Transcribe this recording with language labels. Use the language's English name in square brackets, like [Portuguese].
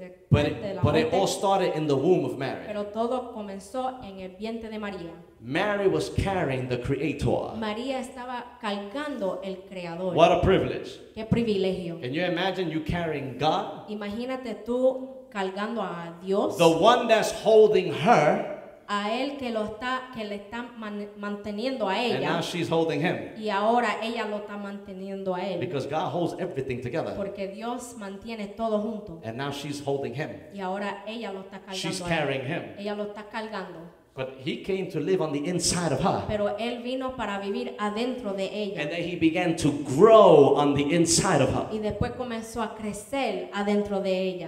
[English] But it all started in the womb of Mary. [Spanish] Pero todo comenzó en el vientre de María. [English] Mary was carrying the Creator. [Spanish] María estaba cargando el Creador. [English] What a privilege. [Spanish] Qué privilegio. [English] Can you imagine you carrying God? [Spanish] Imagínate tú cargando a Dios. [English] The one that's holding her. [Spanish] A él que le está manteniendo a ella. [English] And now she's holding him. [Spanish] Y ahora ella lo está manteniendo a él. [English] Because God holds everything together. [Spanish] Porque Dios mantiene todo junto. [English] And now she's holding him. [Spanish] Y ahora ella lo está cargando. [English] She's carrying him. [Spanish] Ella lo está cargando. [English] But he came to live on the inside of her. [Spanish] Pero él vino para vivir adentro de ella. [English] And then he began to grow on the inside of her. [Spanish] Y después comenzó a crecer adentro de ella.